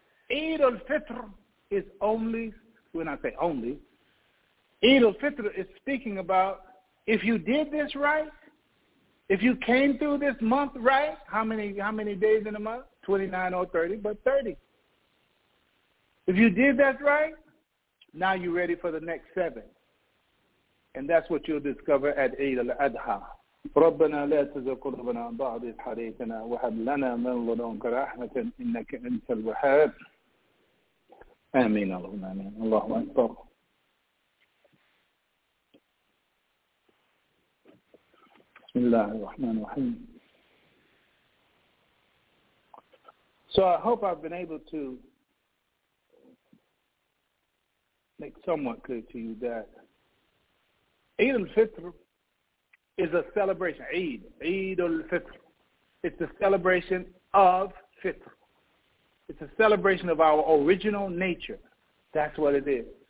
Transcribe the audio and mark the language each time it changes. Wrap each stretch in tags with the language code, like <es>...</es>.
<en>Eid al-Fitr is only, when I say only, Eid al-Fitr is speaking about if you did this right, if you came through this month right, how many days in a month? 29 or 30, but 30. If you did that right, now you're ready for the next seven. And that's what you'll discover at Eid al-Adha.</en> <ar>ربنا لا تزغ قلوبنا بعد إذ هديتنا وهب لنا من لدنك رحمة إنك أنت الوهاب آمين اللهم آمين اللهم أكبر بسم الله الرحمن الرحيم.</ar> <en>So I hope I've been able to make somewhat clear to you that Eid al-Fitr is a celebration, Eid, Eid al-Fitr. It's a celebration of Fitr. It's a celebration of our original nature. That's what it is.</en>